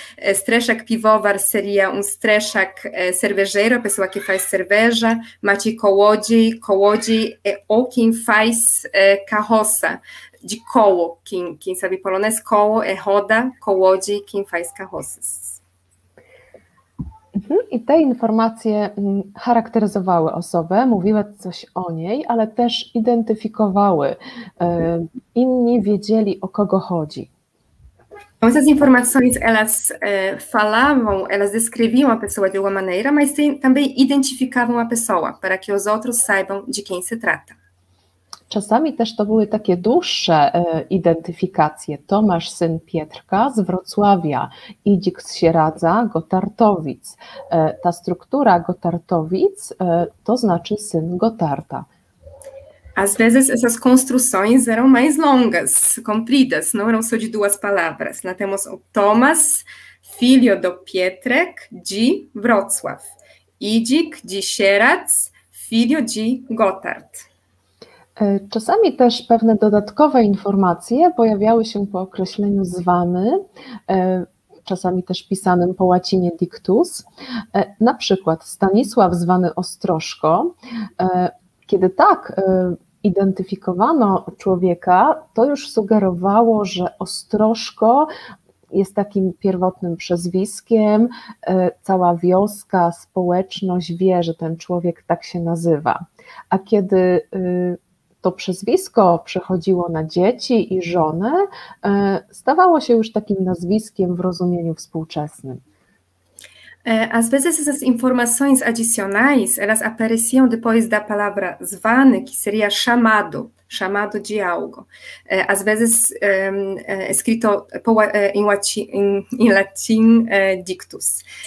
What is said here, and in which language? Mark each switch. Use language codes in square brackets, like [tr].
[pt] Streszak Piwowar seria Streszak cervejeiro, a pessoa que faz cerveja. Maciej Kołodziej, Kołodziej é o quem faz carroça, de koło. Quem sabe polonês, koło é roda, Kołodziej quem faz carroças. [pl] I te informacje charakteryzowały osobę, mówiły coś o niej, ale też identyfikowały. Inni wiedzieli, o kogo chodzi. [pt] Essas informações elas falavam, elas descreviam a pessoa de alguma maneira, mas também identificavam a pessoa, para que os outros saibam de quem se trata. [pl] Czasami też to były takie dłuższe identyfikacje. Tomasz, syn Pietrka z Wrocławia, Idzik z Sieradza, Gotartowic. Ta struktura Gotartowic to znaczy syn Gotarta. [pt] Às vezes essas construções eram mais longas, compridas, não eram só de duas palavras. Nós temos o Tomasz, filho do Pietrek de Wrocław. Idzik de Sieradz, filho de Gotart. [pl] Czasami też pewne dodatkowe informacje pojawiały się po określeniu zwany, czasami też pisanym po łacinie dictus. Na przykład Stanisław zwany Ostrożko. Kiedy tak identyfikowano człowieka, to już sugerowało, że Ostrożko jest takim pierwotnym przezwiskiem. Cała wioska, społeczność wie, że ten człowiek tak się nazywa. A kiedy to przezwisko przechodziło na dzieci i żonę, stawało się już takim nazwiskiem w rozumieniu współczesnym. [pt] Às vezes essas informações adicionais, elas apareciam depois da palavra zwany, que seria chamado, chamado de algo. Às vezes escrito em latim dictus.